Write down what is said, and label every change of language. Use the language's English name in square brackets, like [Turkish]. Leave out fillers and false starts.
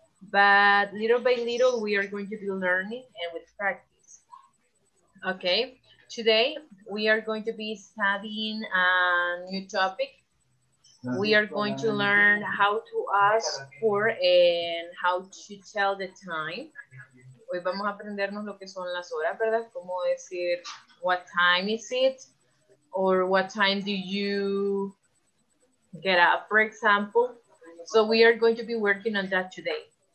[English] But little by little, we are going to be learning and with practice. Okay, today we are going to be studying a new topic. We are going to learn how to ask for and how to tell the time. [Spanish] Hoy vamos a aprendernos lo que son las horas, ¿verdad? Cómo decir, [English] what time is it? Or what time do you get up, for example? So we are going to be working on that today.